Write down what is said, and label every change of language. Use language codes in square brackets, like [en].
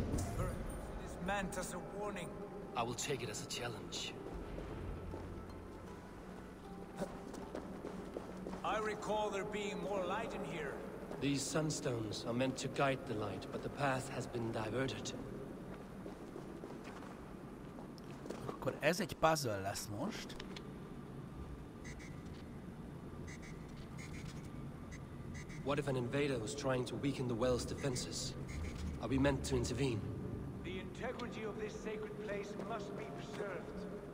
[en] It is meant as a warning. I will take it as a challenge. I recall there being more light in here. These sunstones are meant to guide the light, but the path has been diverted. [hu] Akkor ez egy puzzle lesz most. [en] What if an invader was trying to weaken the well's defenses? Are we meant to intervene? The integrity of this sacred place must be preserved.